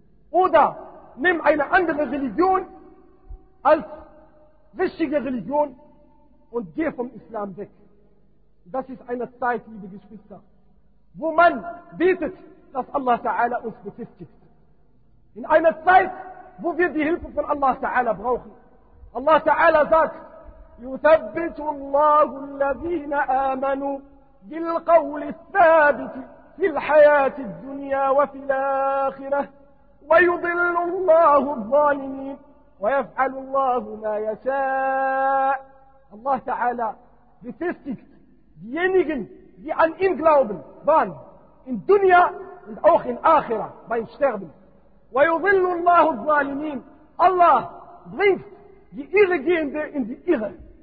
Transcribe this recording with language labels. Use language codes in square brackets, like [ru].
[de] Oder nimm eine andere Religion als wichtige Religion und geh vom Islam weg. Das ist eine Zeit, liebe Geschwister, wo man betet, dass Allah Ta'ala uns befestigt. In einer Zeit, wo wir die Hilfe von Allah Ta'ala brauchen. Allah Ta'ala sagt, [ar] يُثَبِّتُ اللَّهُ الَّذِينَ آمَنُوا بِالْقَوْلِ الثَّابِتِ فِي الْحَيَاةِ الدُّنْيَا وَفِي الْآخِرَةِ وَيُضِلُّ اللَّهُ الظَّالِمِينَ وَيَفْعَلُ اللَّهُ مَا يَشَاءُ. [de] Allah Ta'ala befestigt diejenigen, die an ihn glauben, waren in Dunya und auch in Akhira, beim Sterben. [ar] وَيُضِلُّ اللَّهُ الظَّالِمِينَ. [de] Allah bringt die Irregehende in die Irre.